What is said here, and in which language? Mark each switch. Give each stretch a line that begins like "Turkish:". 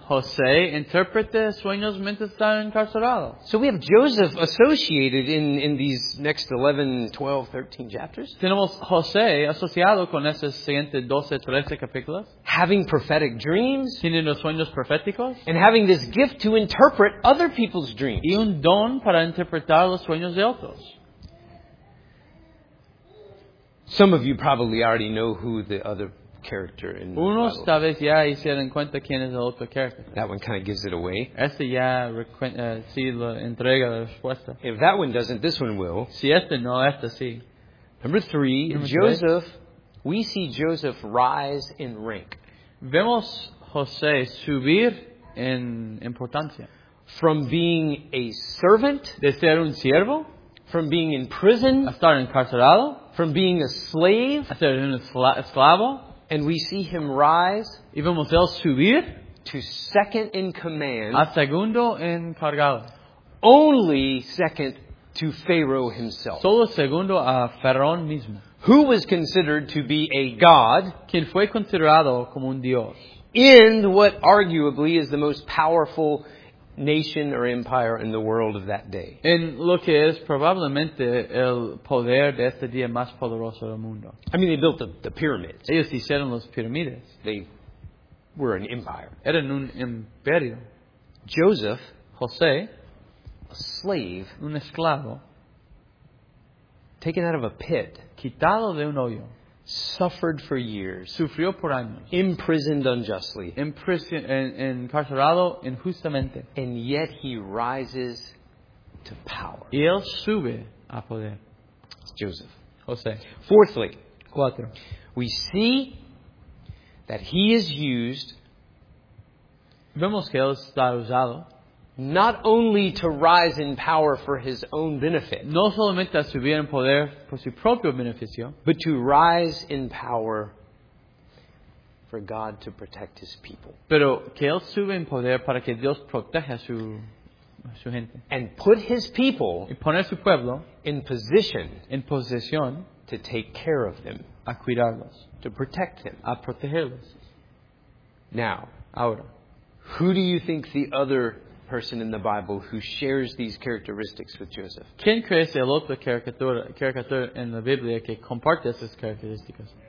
Spanish: José interpreta sueños mientras está encarcelado.
English: So we have Joseph associated in these next 11, 12, 13 chapters.
Spanish: Tenemos José asociado con esos siguientes 12, 13 capítulos.
English: Having prophetic dreams.
Spanish: Teniendo sueños proféticos.
English: And having this gift to interpret other people's dreams.
Spanish: Y un don para interpretar los sueños de otros.
English: Some of you probably already know who the other character in the
Spanish: unos tal vez ya hicieron cuenta quién es el otro character.
English: That one kind of gives it away.
Spanish: Este ya sí la entrega la respuesta.
English: If that one doesn't, this one will.
Spanish: Si este no, este sí.
English: Number three, Number Joseph. Tres. We see Joseph rise in rank.
Spanish: Vemos José subir en importancia.
English: From being a servant.
Spanish: De ser un siervo.
English: From being in prison.
Spanish: A estar encarcelado.
English: From being a slave.
Spanish: A ser un esclavo.
English: And we see him rise.
Spanish: Y vemos él subir.
English: To second in command.
Spanish: A segundo encargado.
English: Only second to Pharaoh himself.
Spanish: Solo segundo a Faraón mismo.
English: who was considered to be a god,
Spanish: quien fue considerado como un dios,
English: in what arguably is the most powerful nation or empire in the world of that day.
Spanish: En lo que es probablemente el poder de este día más poderoso del mundo.
English: I mean, they built the pyramids.
Spanish: Ellos hicieron los pirámides.
English: They were an empire.
Spanish: Eran un imperio.
English: Joseph,
Spanish: José,
English: a slave,
Spanish: un esclavo,
English: taken out of a pit,
Spanish: quitado de un hoyo,
English: suffered for years,
Spanish: sufrió por años,
English: imprisoned unjustly,
Spanish: encarcelado injustamente,
English: and yet he rises to power.
Spanish: Y él sube a poder.
English: It's Joseph.
Spanish: José.
English: Fourthly,
Spanish: cuatro,
English: we see that he is used.
Spanish: Vemos que él está usado.
English: Not only to rise in power for his own benefit,
Spanish: no solamente a subir en poder por su propio beneficio,
English: but to rise in power for God to protect his people.
Spanish: Pero que él sube en poder para que Dios proteja su gente.
English: And put his people,
Spanish: y poner su pueblo,
English: in position to take care of them,
Spanish: a cuidarlos,
English: to protect them,
Spanish: a protegerlos.
English: Now,
Spanish: ahora,
English: who do you think the other person in the Bible who shares these characteristics with Joseph?
Spanish: ¿Quién crees el otro caricatura en la Biblia que comparte esas características?